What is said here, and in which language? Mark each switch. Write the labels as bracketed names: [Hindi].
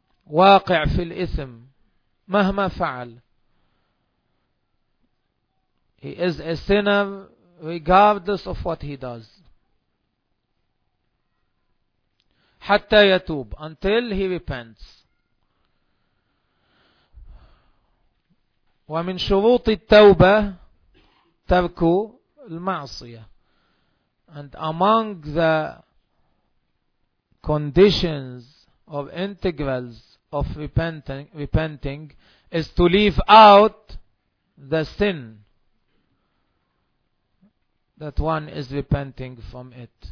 [Arabic] وَاقِعْ فِي الْإِثْمِ مهما فعل. [English] He is a sinner regardless of what he does. [Arabic] حتى يتوب, [English] until he repents. [Arabic] ومن شروط التوبة ترك المعصية. [English] And among the conditions of integrals of repenting is to leave out the sin that one is repenting from it.